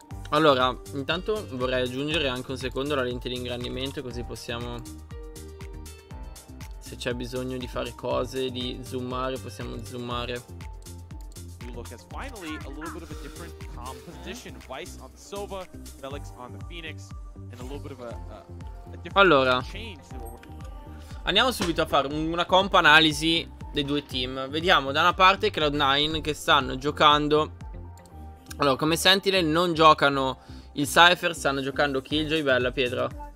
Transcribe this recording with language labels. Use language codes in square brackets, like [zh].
[it] Allora, intanto vorrei aggiungere anche un secondo la lente di ingrandimento, così possiamo, se c'è bisogno di fare cose, di zoomare, possiamo zoomare. [en] Look has finally a little bit of a different composition. Vice on the Sova, Felix on the Phoenix, and a little bit of a different. [it] Allora, andiamo subito a fare una comp analisi dei due team. Vediamo da una parte Cloud9 che stanno giocando. Allora, come Sentinel non giocano il Cypher, stanno giocando Killjoy. Bella Pietro.